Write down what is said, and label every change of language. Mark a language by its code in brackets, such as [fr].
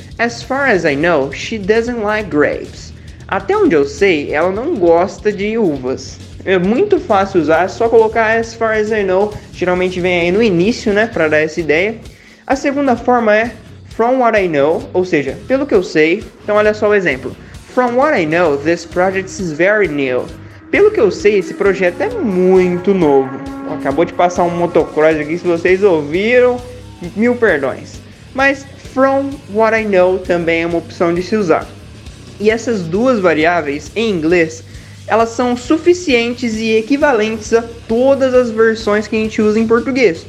[en] As far as I know, she doesn't like grapes. [pt] Até onde eu sei, ela não gosta de uvas. É muito fácil usar, é só colocar [en] as far as I know. [pt] Geralmente vem aí no início, né, pra dar essa ideia. A segunda forma é [en] from what I know, [pt] ou seja, pelo que eu sei. Então olha só o exemplo. [en] From what I know, this project is very new. [pt] Pelo que eu sei, esse projeto é muito novo. Acabou de passar um motocross aqui, se vocês ouviram, mil perdões. Mas [en] from what I know [pt] também é uma opção de se usar. E essas duas variáveis, em inglês, elas são suficientes e equivalentes a todas as versões que a gente usa em português.